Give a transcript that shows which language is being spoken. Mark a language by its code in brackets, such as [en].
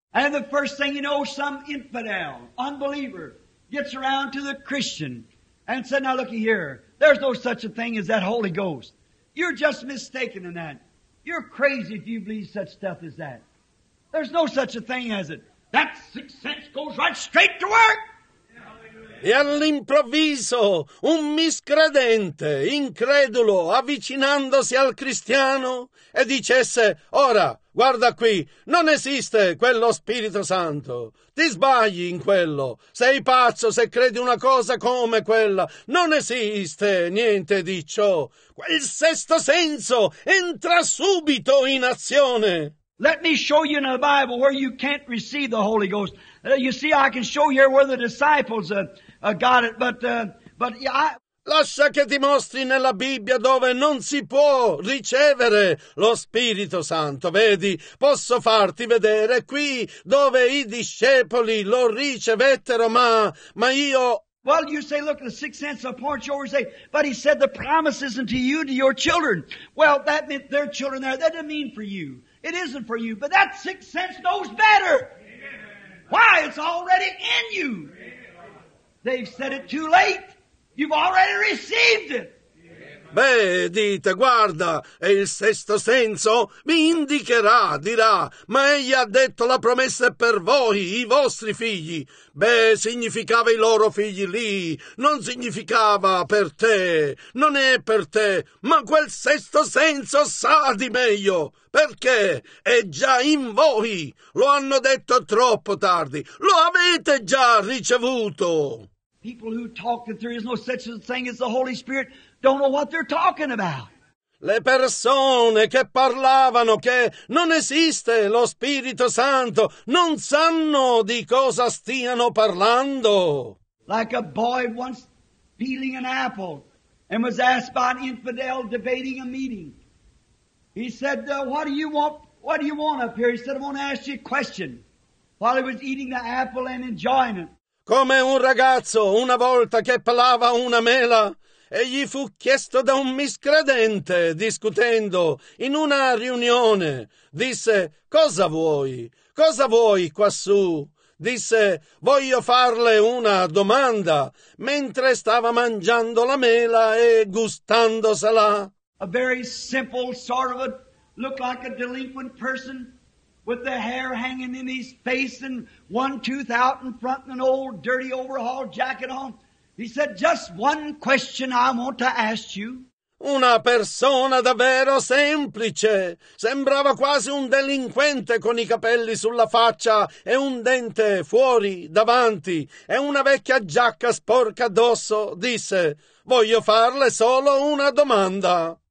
[en] And the first thing you know, some infidel, unbeliever, gets around to the Christian and said, now looky here. There's no such a thing as that Holy Ghost. You're just mistaken in that. You're crazy if you believe such stuff as that. There's no such a thing as it. That sixth sense goes right straight to work. [it] E all'improvviso un miscredente, incredulo, avvicinandosi al cristiano e dicesse, ora, guarda qui, non esiste quello Spirito Santo. Ti sbagli in quello. Sei pazzo se credi una cosa come quella. Non esiste niente di ciò. Quel sesto senso entra subito in azione. [en] Let me show you in the Bible where you can't receive the Holy Ghost. You see, I can show you where the disciples got it, but [it] lascia che ti mostri nella Bibbia dove non si può ricevere lo Spirito Santo. Vedi, posso farti vedere qui dove i discepoli lo ricevettero, ma io... [en] Well, you say, look, the sixth sense of point you over say, but he said the promise isn't to you, to your children. Well, that meant their children there. That didn't mean for you. It isn't for you, but that sixth sense knows better. Why? It's already in you. They've said it too late. You've already received it. [it] Beh, dite, guarda, e il sesto senso mi indicherà, dirà, ma egli ha detto la promessa per voi, i vostri figli. Beh, significava i loro figli lì, non significava per te, non è per te, ma quel sesto senso sa di meglio, perché è già in voi. Lo hanno detto troppo tardi, lo avete già ricevuto. [en] People who talk that there is no such thing as the Holy Spirit don't know what they're talking about. [it] Le persone che parlavano che non esiste lo Spirito Santo non sanno di cosa stiano parlando. [en] Like a boy once peeling an apple and was asked by an infidel debating a meeting. He said, what do you want? What do you want up here? He said, I want to ask you a question. While he was eating the apple and enjoying it. [it] Come un ragazzo una volta che pelava una mela e gli fu chiesto da un miscredente discutendo in una riunione. Disse, cosa vuoi? Cosa vuoi quassù? Disse, voglio farle una domanda mentre stava mangiando la mela e gustandosela. [en] A very simple sort of a look like a delinquent person. With the hair hanging in his face and one tooth out in front and an old dirty overhaul jacket on. He said, just one question I want to ask you. [it] Una persona davvero semplice. Sembrava quasi un delinquente con i capelli sulla faccia e un dente fuori, davanti, e una vecchia giacca sporca addosso. Disse, voglio farle solo una domanda.